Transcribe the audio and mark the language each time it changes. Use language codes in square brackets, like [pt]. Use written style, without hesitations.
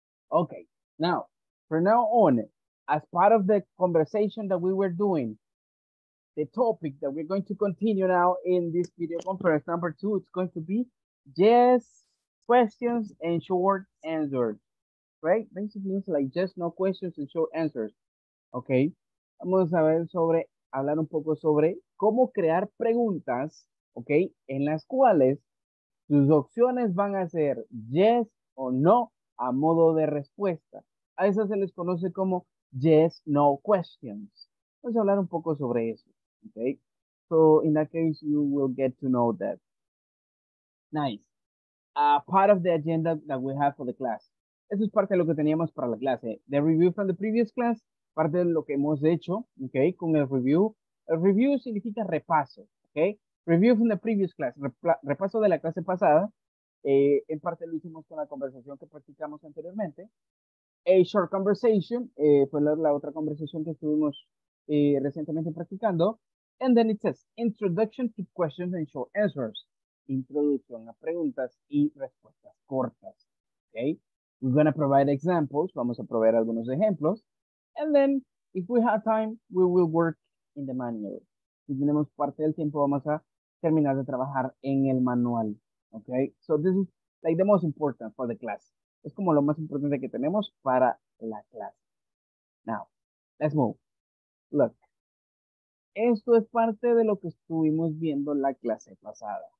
[en] Okay, now, from now on, as part of the conversation that we were doing, the topic that we're going to continue now in this video conference, number 2, it's going to be yes, questions, and short answers, right? Basically, it's like just no questions and short answers, okay? [es] Vamos a ver sobre, hablar un poco sobre cómo crear preguntas, okay, en las cuales tus opciones van a ser yes o no a modo de respuesta. A esas se les conoce como yes, no questions. Vamos a hablar un poco sobre eso. [en] Okay, so in that case, you will get to know that. Nice. Part of the agenda that we have for the class. [es] Eso es parte de lo que teníamos para la clase. [en] The review from the previous class, [es] parte de lo que hemos hecho, okay, con el review. El review significa repaso, okay? [en] Review from the previous class, [es] repaso de la clase pasada. En parte lo hicimos con la conversación que practicamos anteriormente. [en] A short conversation, [es] fue la otra conversación que estuvimos recientemente practicando. [en] And then it says, introduction to questions and short answers. [es] Introducción a preguntas y respuestas cortas, okay? [en] We're going to provide examples. [es] Vamos a proveer algunos ejemplos. [en] And then, if we have time, we will work in the manual. [es] Si tenemos parte del tiempo, vamos a terminar de trabajar en el manual. [en] Okay? So this is like the most important for the class. [es] Es como lo más importante que tenemos para la clase. [en] Now, let's move. Look. [es] Esto es parte de lo que estuvimos viendo la clase pasada.